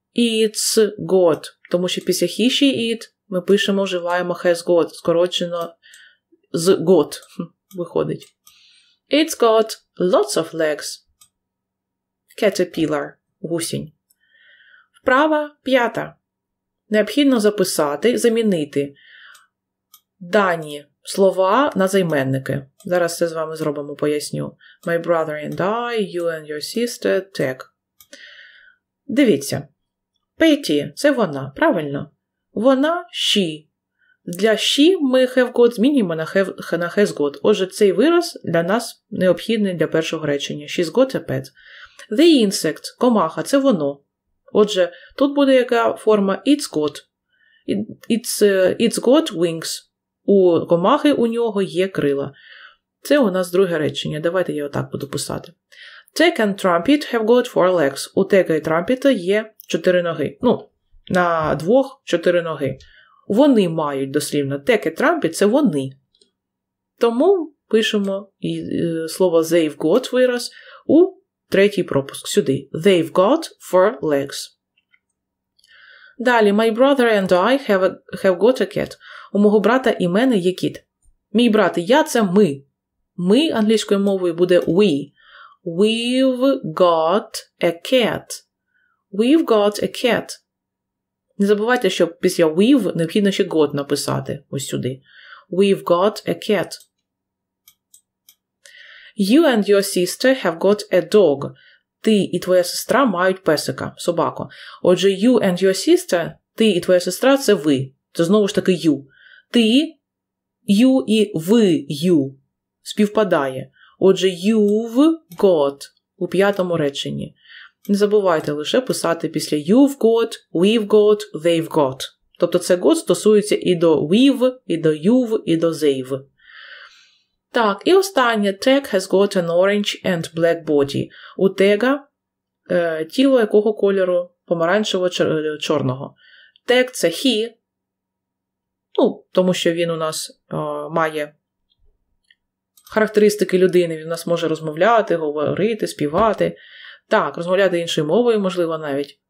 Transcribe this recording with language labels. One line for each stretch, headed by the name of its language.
English: It's got.
Ukrainian: Тому що після he, she, it... Ми пишемо, вживаємо has got, скорочено з got, виходить.
English: It's got lots of legs.
Ukrainian: Caterpillar, гусінь. Вправа п'ята. Необхідно записати, замінити дані слова на займенники. Зараз це з вами зробимо, поясню.
English: My brother and I, you and your sister, так.
Ukrainian: Дивіться. Petty, це вона, правильно? Вона – she. Для she ми have got змінюємо на has got. Отже, цей вираз для нас необхідний для першого речення.
English: She's got a pet. The insect –
Ukrainian: комаха – це воно. Отже, тут буде яка форма it's got.
English: It's got wings.
Ukrainian: У комахи у нього є крила. Це у нас друге речення. Давайте я отак буду писати.
English: Tag and trumpet have got four legs.
Ukrainian: У тега і трампіта є чотири ноги. Ну, на двох чотири ноги. Вони мають дослівно. Так і трампі це вони. Тому пишемо і слово they've got вираз у третій пропуск сюди.
English: They've got four legs. Далі. My brother and I have got a cat.
Ukrainian: У мого брата і мене є кіт. Мій брат і я це ми. Ми англійською мовою буде we.
English: We've got a cat. We've got a cat.
Ukrainian: Не забувайте, що після we've необхідно ще got написати ось сюди.
English: We've got a cat. You and your sister have got a dog.
Ukrainian: Ти і твоя сестра мають песика, собаку. Отже,
English: you and your sister,
Ukrainian: ти і твоя сестра – це ви. Це знову ж таки you. Ти, you і ви, you. Співпадає. Отже, you've got у п'ятому реченні. Не забувайте лише писати після you've got, we've got, they've got. Тобто це got стосується і до we've, і до you've, і до they've. Так, і останнє.
English: Tag has got an orange and black body.
Ukrainian: У тега тіло якого кольору? Помаранчево-чорного. Tag – це he. Ну, тому що він у нас має характеристики людини. Він у нас може розмовляти, говорити, співати. Так, розмовляти іншою мовою, можливо, навіть.